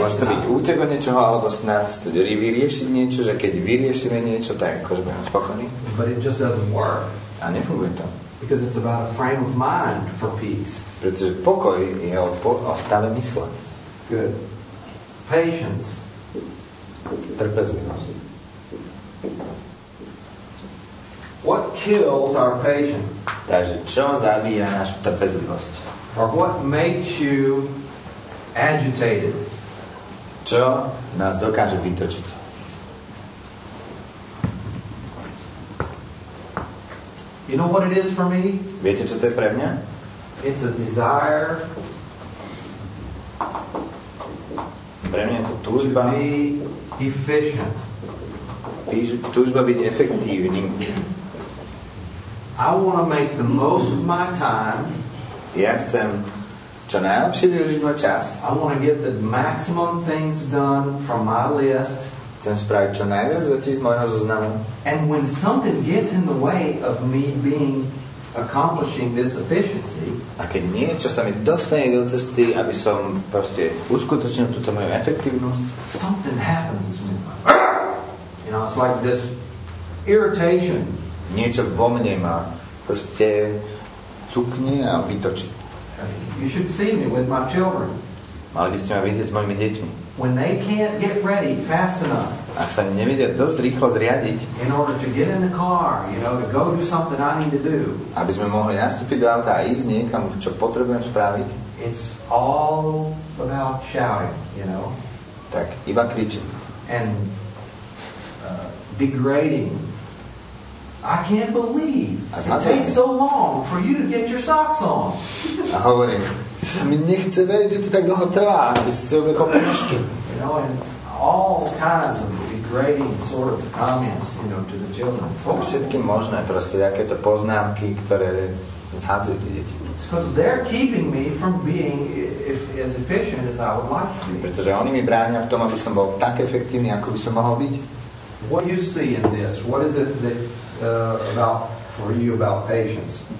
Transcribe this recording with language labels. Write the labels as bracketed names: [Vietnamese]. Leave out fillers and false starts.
[Slovak] Môže to byť útek od niečoho, alebo snažiť sa vyriešiť niečo, že keď vyriešime niečo, tak akože budeme spokojní. [English] But it just doesn't work. [Slovak] A nefunguje to. [English] Because it's about a frame of mind for peace. [Slovak] Pretože pokoj je o stave mysle. [English] Good. Patience. [Slovak] Trpezlivosť. [English] What kills our patience? [Slovak] Takže čo zabíja našu trpezlivosť? [English] Or what makes you agitated? [Slovak] Čo nás dokáže vytočiť? [English] You know what it is for me? [Slovak] Viete, čo to je pre mňa? [English] It's a desire. [Slovak] Pre mňa je to túžba. [English] To be efficient. [Slovak] Túžba byť efektívnym. [English] I want to make the most of my time. [Slovak] Ja chcem čo najlepšie využiť môj čas. [English] I want to get the maximum things done from my list. [Slovak] Chcem spraviť čo najviac vecí z môjho zoznamu. [English] And when something gets in the way of me being accomplishing this efficiency, [Slovak] a keď niečo sa mi dostane do cesty, aby som proste uskutočnil túto moju efektívnosť, [English] something happens. You know, it's like this irritation. [Slovak] Niečo vo mne ma proste cukne a vytočí. [English] You should see me with my children. [Slovak] Mali by ste ma vidieť s mojimi deťmi. [English] When they can't get ready fast enough. [Slovak] Ak sa nevedia dosť rýchlo zriadiť. [English] In order to get in the car, you know, to go do something I need to do. [Slovak] Aby sme mohli nastúpiť do auta a ísť niekam, čo potrebujem spraviť. [English] It's all about shouting, you know. [Slovak] Tak iba kričím. [English] And degrading. I can't believe it takes so long for you to get your socks on. [Slovak] A hovorím, že mi nechce veriť, že to tak dlho trvá, aby si si obliekol ponožky. [English] You know, and all kinds of degrading sort of comments, you know, to the children. [Slovak] Všetky možné proste, aké to poznámky, ktoré zhadzujú tie deti. [English] Because they're keeping me from being as efficient as I would like to be. [Slovak] Pretože oni mi bránia v tom, aby som bol tak efektívny, ako by som mohol byť. [English] What do you see in this? What is it that about for you about patience?